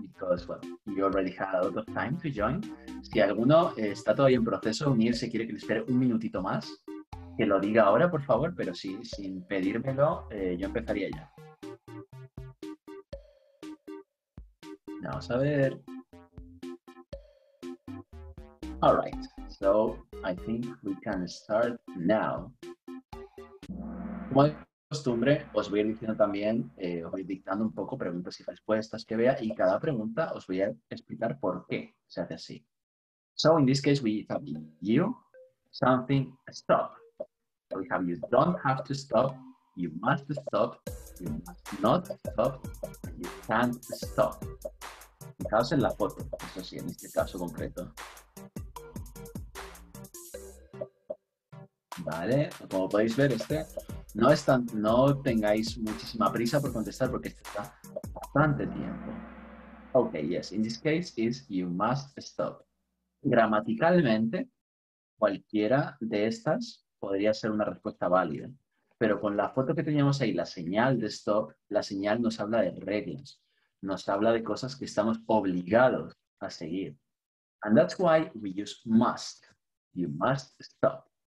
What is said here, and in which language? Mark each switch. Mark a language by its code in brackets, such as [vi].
[en] because, well, you already had a lot of time to join. [es] Si alguno está todavía en proceso de unirse, quiere que le espere un minutito más, que lo diga ahora, por favor, pero sí, sin pedírmelo, yo empezaría ya. Vamos a ver. [en] All right, so I think we can start now. [es] Como de costumbre, os voy a ir diciendo también, os voy dictando un poco preguntas y respuestas que vea, y cada pregunta os voy a explicar por qué se hace así. [en] So in this case, we have you, something, stop. We have you don't have to stop, you must stop, you must not stop, and you can't stop. [es] Fijaos en la foto, eso sí, en este caso concreto. Vale, como podéis ver, este no es tan, no tengáis muchísima prisa por contestar porque este está bastante tiempo. [en] Ok, yes, in this case is you must stop. [es] Gramaticalmente, cualquiera de estas podría ser una respuesta válida. Pero con la foto que teníamos ahí, la señal de stop, la señal nos habla de reglas. Nos habla de cosas que estamos obligados a seguir. [en] And that's why we use must. You must stop.